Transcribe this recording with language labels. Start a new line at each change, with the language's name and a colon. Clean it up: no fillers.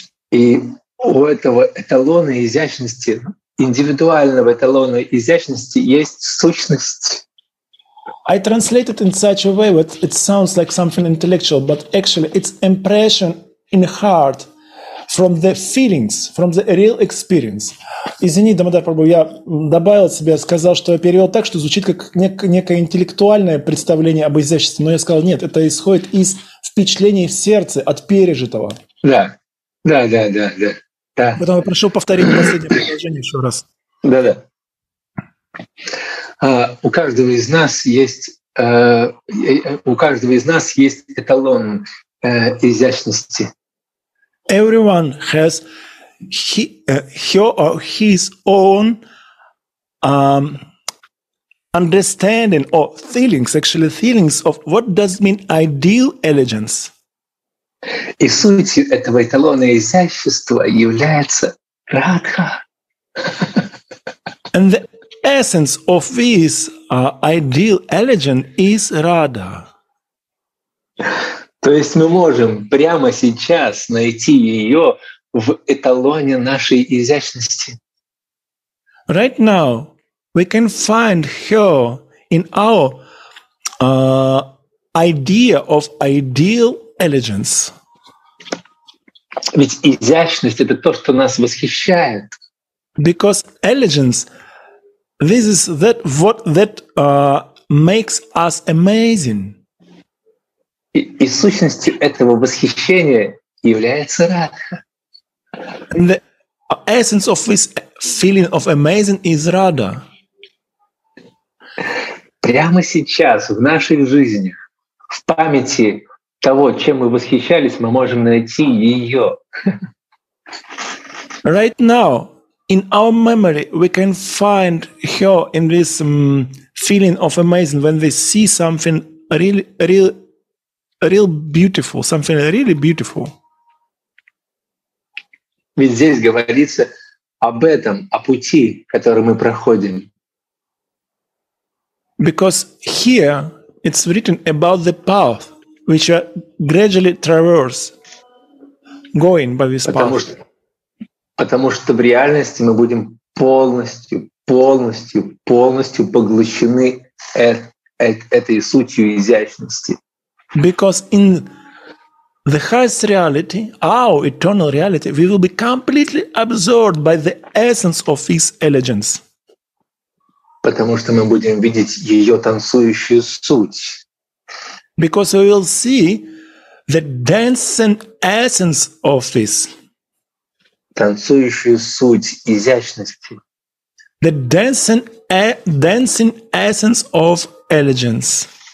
Russian: И у этого эталона изящности, индивидуального эталона изящности, есть сущность.
English: I translate it in such a way that it sounds like something intellectual, but actually it's impression in heart. From the feelings, from the real experience.
Russian: Извини, Дамодар Прабху, я добавил от себя, сказал, что я перевел так, что звучит как некое интеллектуальное представление об изяществе, но я сказал, нет, это исходит из впечатлений в сердце, от пережитого. Да, да, да, да, да. Да. Потом я прошу повторить последнее предложение еще раз. Да, да. У каждого из нас есть, у каждого из нас есть эталон изящности.
English: Everyone has his own understanding or feelings, actually feelings of what does mean ideal elegance.
Russian: И сутью этого эталона изящества является Радха.
English: And the essence of this ideal elegance is Radha.
Russian: То есть мы можем прямо сейчас найти ее в эталоне нашей изящности.
English: Right now we can find her in our idea of ideal elegance.
Russian: Ведь изящность — это то, что нас восхищает.
English: Because elegance, this is that what that makes us amazing.
Russian: И сущностью этого восхищения является Радха.
English: And the essence of this feeling of amazing is Radha.
Russian: Прямо сейчас в наших жизнях, в памяти того, чем мы восхищались, мы можем найти ее.
English: Right now, in our memory, we can find her in this feeling of amazing when we see something really, really. Real beautiful, something really beautiful.
Russian: Ведь здесь говорится об этом, о пути, который мы проходим.
English: Because here it's written about the path which we gradually traverse, going by this path.
Russian: Потому что в реальности мы будем полностью поглощены этой сутью изящности.
English: Because in the highest reality, our eternal reality, we will be completely absorbed by the essence of His elegance.
Russian: Потому что мы будем видеть ее танцующую суть.
English: Because we will see the dancing essence of this.
Russian: Танцующую суть изящности.
English: The dancing essence of elegance.